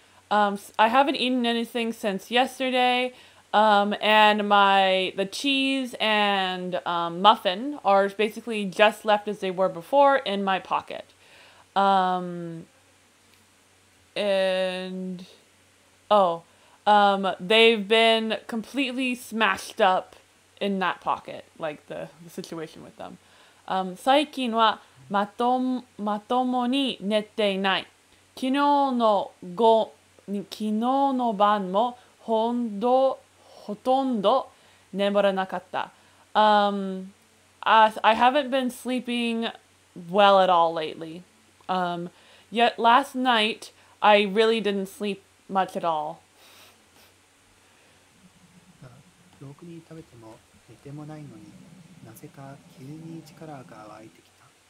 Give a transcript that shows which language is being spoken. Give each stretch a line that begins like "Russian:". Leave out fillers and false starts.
English: I haven't eaten anything since yesterday, and the cheese and muffin are basically just left as they were before in my pocket. They've been completely smashed up in that pocket, like the situation with them.
Japanese: 最近はまともに寝ていない。昨日の晩もほとんど眠らなかった。
English: I haven't been sleeping well at all lately. Yet last night, I really didn't sleep much at all.
Japanese: ろくに食べても寝てもないのに、なぜか急に力が湧いてきた。